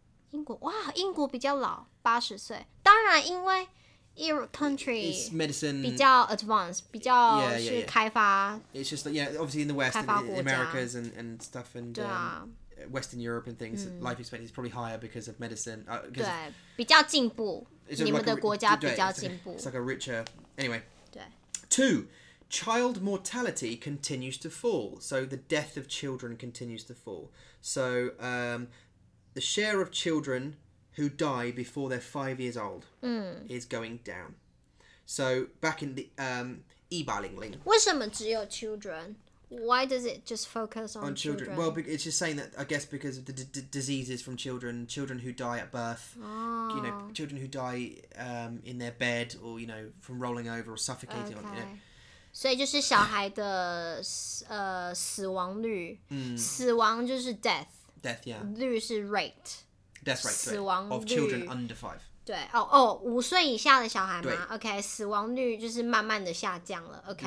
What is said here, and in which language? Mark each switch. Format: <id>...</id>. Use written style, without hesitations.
<zh>英国,哇,英国比较老,80岁。当然,因为</zh> <en>your country is medicine</en> <zh>比较 advanced 比较</zh> <en>yeah, yeah, yeah.</en> <zh>是开发</zh> <en>it's just like, yeah, obviously in the west in Americas and stuff and、啊、 Western Europe and things、嗯、life expectancy is probably higher because of medicine、</en> <zh>对比较进步你们的国家比较进步</zh> <en>it's like a richer anyway</en> <zh>对</zh> <en>2. Child mortality continues to fall so the death of children continues to fall so、the share of childrenwho die before they're 5 years old、嗯、 is going down. So back in the 100年代 Why is it just children? Why does it just focus on children? Well, it's just saying that, I guess, because of the diseases from children, children who die at birth,、 oh. you know, children who die、in their bed or, you know, from rolling over or suffocating. On, you know.</en> <zh>所以就是小孩的死亡率、嗯、死亡就是 death.</zh> <en>Death, yeah.</en> <zh>率是 rate.</zh> <en>Death rate,</en> <zh>死亡率</zh> <en>of children under 5.</en> <zh>对，哦哦，五岁以下的小孩吗 ？OK， 死亡率就是慢慢的下降了。OK，</zh>